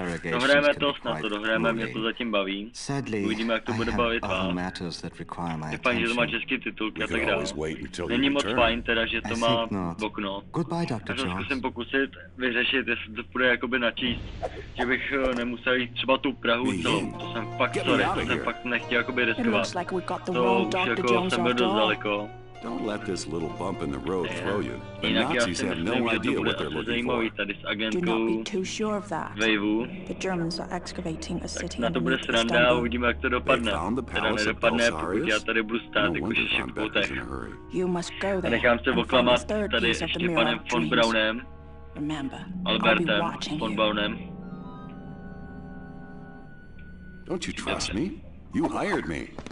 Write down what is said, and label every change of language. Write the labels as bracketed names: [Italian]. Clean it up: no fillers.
[Czech] dohráme to, snad to dohráme, mě to zatím baví, uvidíme, jak to bude bavit vám, je fajn, že to má český titulky a tak dále, není moc fajn teda, že to má bokno, takže zkusím pokusit vyřešit, jestli to bude jakoby načíst, že bych nemusel jít třeba tu Prahu celou, to jsem fakt sorry, to jsem fakt nechtěl jakoby riskovat, to už jako jsem byl dost daleko. [English] Don't let this little bump in the road throw you. The Nazis have no idea what they're looking for. Do not be too sure of that. The Germans are excavating a city. [Czech] Na to bude sranda, uvidíme, jak to dopadne. Teda nedopadne, pokud já tady budu stát, když ještě v poutech. A nechám se oklamat tady ještě panem von Braunem. Albertem von Braunem. [English] Don't you trust me? You hired me.